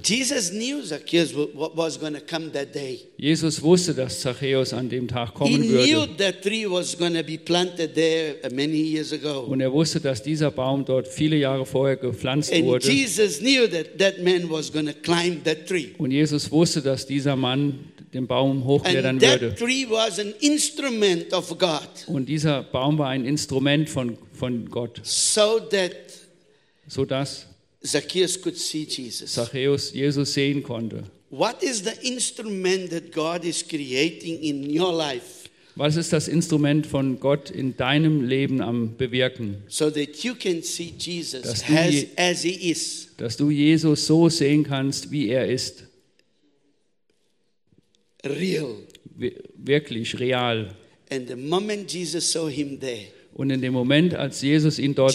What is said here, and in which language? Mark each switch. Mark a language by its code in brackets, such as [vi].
[en] Jesus knew Zacchaeus was going to come that day. [de] Jesus wusste, dass Zacchaeus an dem Tag kommen würde. [en] He knew that tree was going to be planted there many years ago. [de] Und er wusste, dass dieser Baum dort viele Jahre vorher gepflanzt [en] and [de] wurde. [en] And Jesus knew that man was going to climb that tree. [de] Und Jesus wusste, dass dieser Mann den Baum hochklettern [en] and that [de] würde. [en] Tree was an instrument of God. [de] Und dieser Baum war ein Instrument von Gott. So dass [en] Zacchaeus could see Jesus. [de] Zacchaeus Jesus sehen konnte. [en] What is the instrument that God is creating in your life? [de] Was ist das Instrument von Gott in deinem Leben am bewirken? [en] So that you can see Jesus as he is. [de] Dass du Jesus so sehen kannst, wie er ist. [en] Real. [de] Wirklich real. [en] And the moment Jesus saw him there. [de] Und in dem Moment, als Jesus ihn dort